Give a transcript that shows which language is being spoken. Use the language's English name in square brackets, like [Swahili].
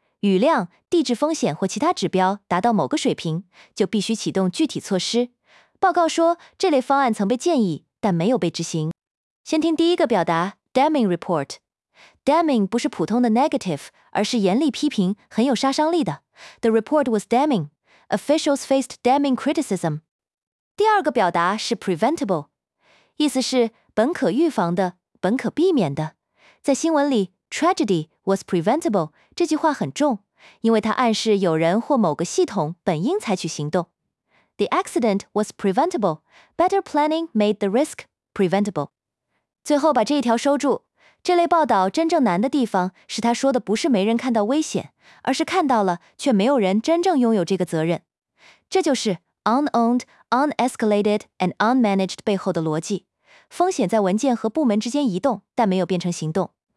[Chinese] 雨量、地质风险或其他指标达到某个水平，就必须启动具体措施。报告说，这类方案曾被建议，但没有被执行。先听第一个表达 ，damning report。damning 不是普通的 negative， 而是严厉批评，很有杀伤力的。 [English] The report was damning. Officials faced damning criticism. [Chinese] 第二个表达是 preventable， 意思是本可预防的、本可避免的。在新闻里 [English] Tragedy was preventable [Chinese] 这句话很重，因为它暗示有人或某个系统本应采取行动。 [English] The accident was preventable. Better planning made the risk preventable. [Chinese] 最后把这一条收住。这类报道真正难的地方是，他说的不是没人看到危险，而是看到了却没有人真正拥有这个责任。这就是 [English] unowned, unescalated and unmanaged [Chinese] 背后的逻辑。风险在文件和部门之间移动，但没有变成行动。